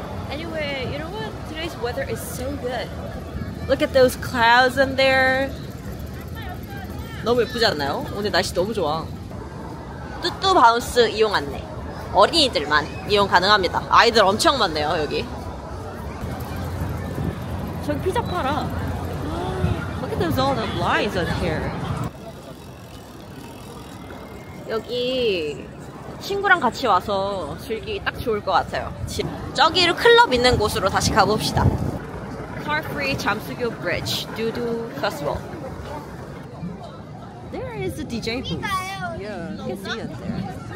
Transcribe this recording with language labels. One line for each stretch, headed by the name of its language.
English: Anyway, you know what? Today's weather is so good. Look at those clouds in there.
Korean: 너무 예쁘지 않나요? 오늘 날씨 너무 좋아. 뚜뚜 바운스 이용 안내. 어린이들만 이용 가능합니다. 아이들 엄청 많네요, 여기. 저기 피자 팔아.
English: Look at those all the lines on here.
Korean: 여기 친구랑 같이 와서 즐기기 딱 좋을 것 같아요. 저기로 클럽 있는 곳으로 다시 가봅시다.
English: Car Free 잠수교 Bridge, Dudu Festival. There is the DJ booth. Yeah, you can see it there.